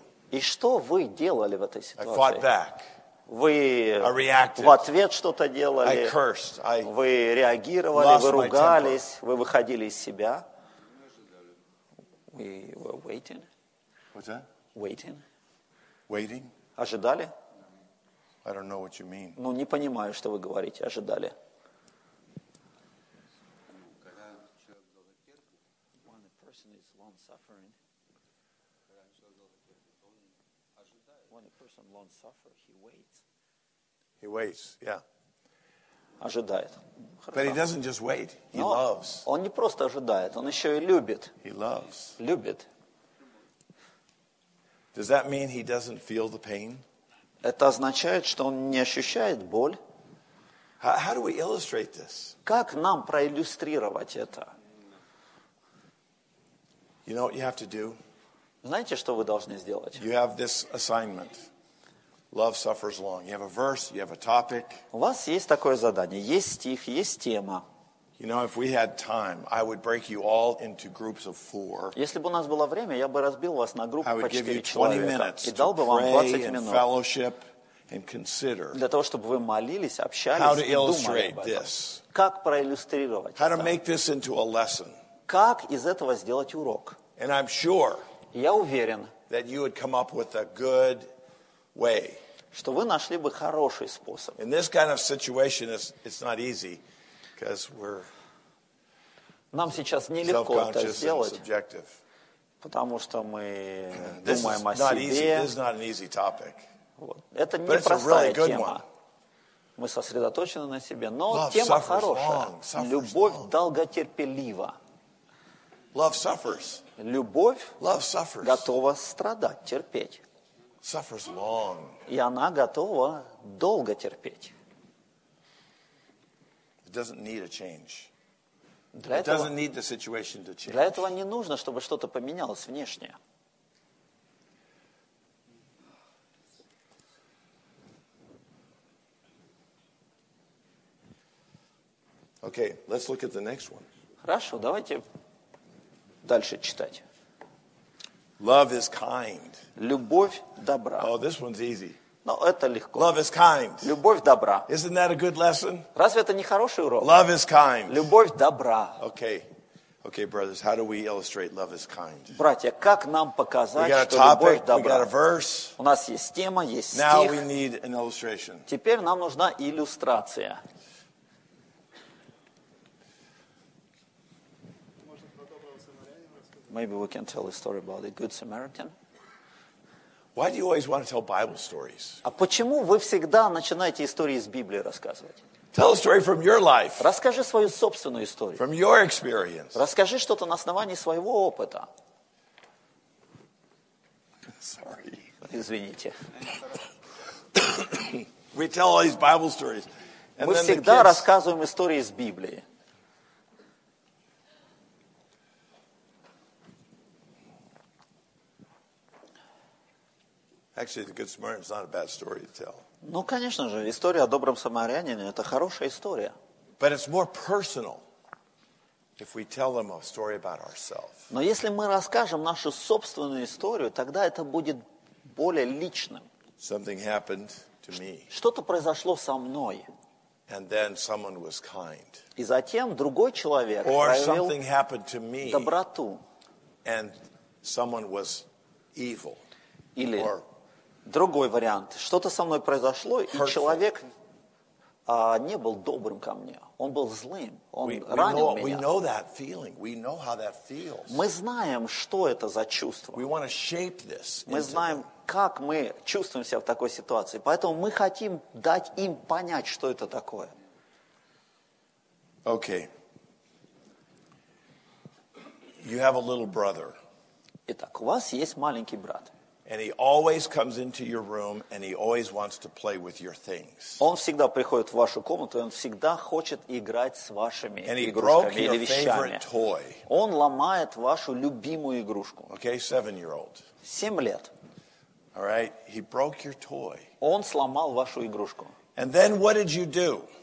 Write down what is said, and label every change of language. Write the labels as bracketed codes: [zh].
[ru] И что вы делали в этой ситуации? Вы в ответ что-то делали, вы реагировали, вы ругались, вы выходили из себя. [en] We were waiting. What's that? Waiting. Waiting. [ru] Ожидали? [en] I don't know what you mean. [ru] Ну, не понимаю, что вы говорите, ожидали. [en] When a person is long-suffering, when a person long-suffers, he waits. He waits, yeah. [ru] Ожидает. [en] But he doesn't just wait, he loves. [ru] Он не просто ожидает, он еще и любит. [en] He loves. [ru] Любит. [en] Does that mean he doesn't feel the pain? [ru] Это означает, что он не ощущает боль. [en] How do we illustrate this? [ru] Как нам проиллюстрировать это? [en] You know what you have to do? [ru] Знаете, что вы должны сделать? [en] You have this assignment. Love suffers long. You have a verse, you have a topic. [ru] У вас есть такое задание. Есть стих, есть тема. [en] You know, if we had time, I would break you all into groups of four. [ru] Если бы у нас было время, я бы разбил вас на группы по 4 человека. [en] I would give you 20 minutes to pray and fellowship and consider [ru] для того, чтобы вы молились, общались и думали об этом. [en] How to illustrate this? [ru] Как проиллюстрировать это? [en] How to make this into a lesson? [ru] Как из этого сделать урок? [en] And I'm sure. [ru] Я уверен. [en] That you would come up with a good way. [ru] Что вы нашли бы хороший способ. [en] In this kind of situation, it's not easy, because we're [ru] нам сейчас нелегко это сделать, потому что мы думаем о себе. [en] This is not an easy topic. [ru] Это непростая тема. Мы сосредоточены на себе, но тема хорошая. Любовь долготерпелива. [en] Love suffers. [ru] Любовь готова страдать, терпеть. [en] Suffers long. [ru] И она готова долго терпеть. [en] It doesn't need a change. [ru] Для [en] It doesn't need the situation to change. [ru] Для этого не нужно, чтобы что-то поменялось внешнее. [en] Okay, let's look at the next one. [ru] Хорошо, давайте дальше читать. [en] Love is kind. [ru] Любовь добра. [en] Oh, this one's easy. [ru] Но это легко. [en] Love is kind. [ru] Любовь добра. [en] Isn't that a good lesson? [ru] Разве это не хороший урок? [en] Love is kind. [ru] Любовь добра. [en] Okay. Okay, brothers, how do we illustrate love is kind? [ru] Братья, как нам показать, [en] we got a [ru] что [en] topic, [ru] любовь добра? [en] We got a verse. [ru] У нас есть тема, есть стих. [en] Now we need an illustration. [ru] Теперь нам нужна иллюстрация. [en] Maybe we can tell a story about a good Samaritan. Why do you always want to tell Bible stories? [ru] А почему вы всегда начинаете истории из Библии рассказывать? [en] Tell a story from your life. [ru] Расскажи свою собственную историю. [en] From your experience. [ru] Расскажи что-то на основании своего опыта. [en] Sorry. [ru] Извините. [en] We tell all these Bible stories. [ru] Мы всегда рассказываем истории из Библии. [en] Actually, the Good Samaritan is not a bad story to tell. [ru] Ну, конечно же, история о добром самарянине – это хорошая история. [en] But it's more personal if we tell them a story about ourselves. [ru] Но если мы расскажем нашу собственную историю, тогда это будет более личным. [en] Something happened to me. [ru] Что-то произошло со мной. [en] And then someone was kind. [ru] И затем другой человек проявил доброту. [en] And someone was evil. [ru] Или другой вариант. Что-то со мной произошло, и человек не был добрым ко мне. Он был злым. Он ранил меня. Мы знаем, что это за чувство. Мы знаем, как мы чувствуем себя в такой ситуации. Поэтому мы хотим дать им понять, что это такое. Окей. [en] You have a little brother. [ru] Итак, у вас есть маленький брат. [en] And he always comes into your room, and he always wants to play with your things. [ru] Он всегда приходит в вашу комнату, и он всегда хочет играть с вашими игрушками или вещами. [en] And he broke your favorite toy. [ru] Он ломает вашу любимую игрушку. [en] Okay, 7-year-old. [ru] 7 лет. [en] All right, he broke your toy. [ru] Он сломал вашу игрушку. [en] And then what did you do?